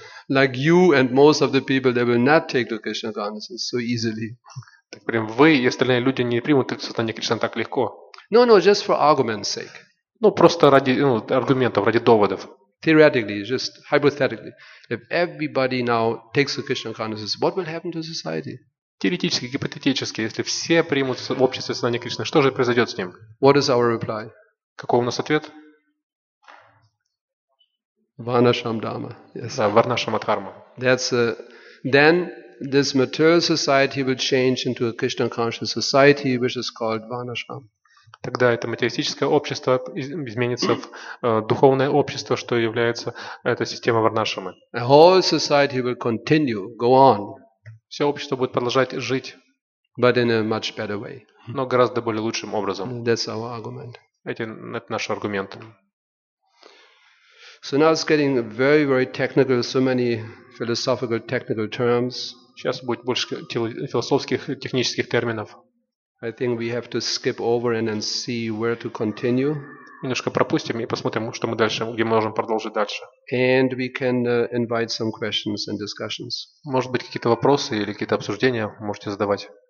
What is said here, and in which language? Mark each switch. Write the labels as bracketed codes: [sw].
[en] Like you and most of the people, they will not take to Krishna consciousness so easily. [ru] Так прям вы и остальные люди не примут к сознанию Кришны так легко. [en] No, no, just for argument's sake. [ru] Ну, просто ради, ну, аргументов, ради доводов. [en] Theoretically, just hypothetically, if everybody now takes the Krishna consciousness, what will happen to society? [ru] Теоретически, гипотетически, если все примут в обществе сознание Кришны, что же произойдет с ним? [en] What is our reply? [ru] Какой у нас ответ? Варнашам Дхарма. [en] Yes. [ru] Да, Варнашама Дхарма. [en] That's a, then this material society will change into a Krishna conscious society, which is called Varnashram. [ru] Тогда это материалистическое общество изменится в духовное общество, что является эта система Варнашрамы. [en] The whole society will continue, go on. [ru] Все общество будет продолжать жить. [en] But in a much better way. [ru] Но гораздо более лучшим образом. [en] That's our argument. [ru] Это наш аргумент. [en] So now it's getting very, very technical, so many philosophical, technical terms. [ru] Сейчас будет больше философских, технических терминов. [en] I think we have to skip over and then see where to continue. [ru] Немножко пропустим и посмотрим, что мы дальше, где мы можем продолжить дальше. [en] And we can invite some questions and discussions. [ru] Может быть, какие-то вопросы или какие-то обсуждения можете задавать.